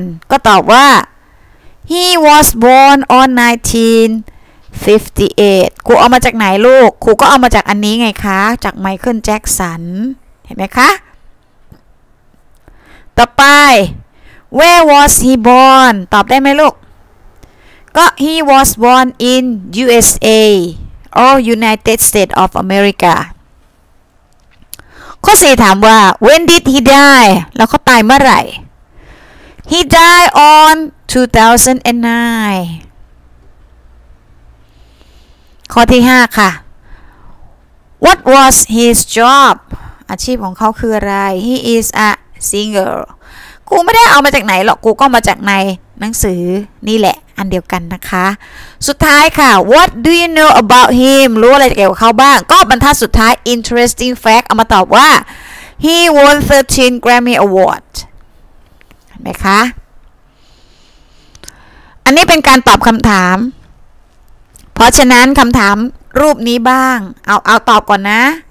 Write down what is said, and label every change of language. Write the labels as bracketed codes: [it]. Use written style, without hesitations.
[th] ก็ตอบว่า [en] He was born on 1958. [th] ครูเอามาจากไหนลูกครูก็เอามาจากอันนี้ไงคะจากไมเคิลแจ็คสันเห็นไหมคะต่อไป [en] Where was he born? [th] ตอบได้ไหมลูกก็ [en] He was born in USA or United States of America [th] ข้อ4ถามว่า [en] When did he die? [th] แล้วเขาตายเมื่อไหร่ [en] He died on 2009 [th] ข้อที่5ค่ะ [en] What was his job? [th] อาชีพของเขาคืออะไร [en] He is a singer [th] กูไม่ได้เอามาจากไหนหรอกกูก็มาจากในหนังสือนี่แหละอันเดียวกันนะคะสุดท้ายค่ะ [en] What do you know about him [th] รู้อะไรเกี่ยวกับเขาบ้างก็บรรทัดสุดท้าย interesting fact เอามาตอบว่า [en] he won 13 Grammy award [th] เห็นไหมคะอันนี้เป็นการตอบคำถามเพราะฉะนั้นคำถามรูปนี้บ้างเอาตอบก่อนนะ